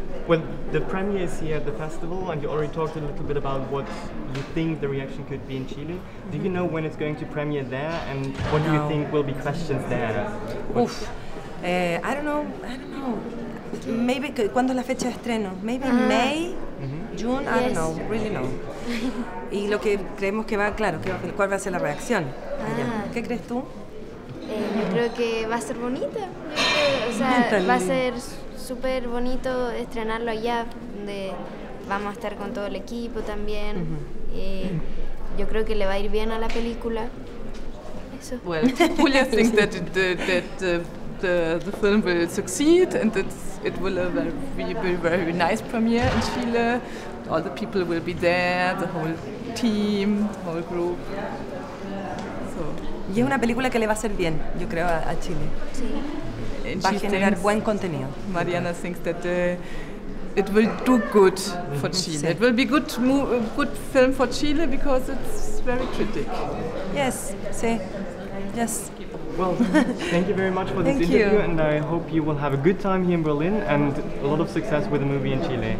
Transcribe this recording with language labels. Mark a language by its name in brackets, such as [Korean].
[English] Well, the premiere is here at the festival, and you already talked a little bit about what you think the reaction could be in Chile. Mm-hmm. Do you know when it's going to premiere there, and what do you think will be questions there? [Spanish] Oof. [English] I don't know. Maybe, [Spanish] ¿cuándo es la fecha de estreno? [English] Maybe May, June, I don't know, really know. [Spanish] Y lo que creemos que va, claro, ¿cuál va a ser la reacción? ¿Qué crees tú? Yo creo que va a ser bonita. O sea, va a ser súper bonito estrenarlo allá, donde vamos a estar con todo el equipo también. Yo creo que le va a ir bien a la película. Eso. [English] Well, Julia thinks that the film will succeed and it will be a very nice premiere in Chile. All the people will be there, the whole team, the whole group. So. [Spanish] Y es una película que le va a hacer bien, yo creo, a Chile. Sí. Va a generar buen contenido. [English] Mariana thinks that it will do good for Chile. Sí. It will be good film for Chile because it's very critic. Yes, sí. Yes. Well, thank you very much for this interview, and I hope you will have a good time here in Berlin and a lot of success with the movie in Chile.